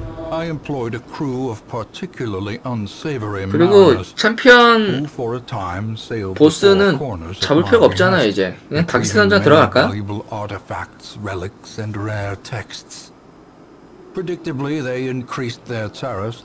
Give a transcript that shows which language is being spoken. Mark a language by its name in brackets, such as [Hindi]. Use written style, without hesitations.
[English] I employed a crew of particularly unsavory men. [Korean] 그리고 챔피언 보스는 잡을 필요가 없잖아 이제. 그냥 다키스 던전 들어갈까? [English] Valuable artifacts, relics and rare texts. Predictably they increased their tariffs.